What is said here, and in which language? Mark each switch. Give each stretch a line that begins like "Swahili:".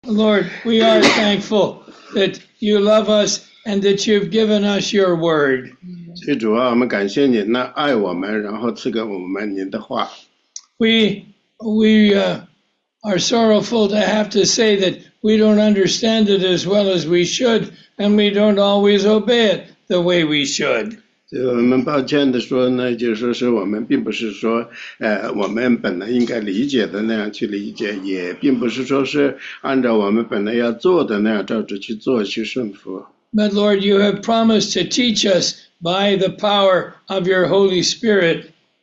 English: Lord, we are thankful that you love us and that you've given us your word.
Chinese: 主啊, 我们感谢你, 那爱我们, 然后赐给我们你的话。
English: We are sorrowful to have to say that we don't understand it as well as we should, and we don't always obey it the way we should.
Chinese: 我们抱歉地说呢，就是说我们并不是说，我们本来应该理解的那样去理解，也并不是说是按照我们本来要做的那样照着去做去顺服。
English: But Lord, you have promised to teach us by the power of your Holy Spirit.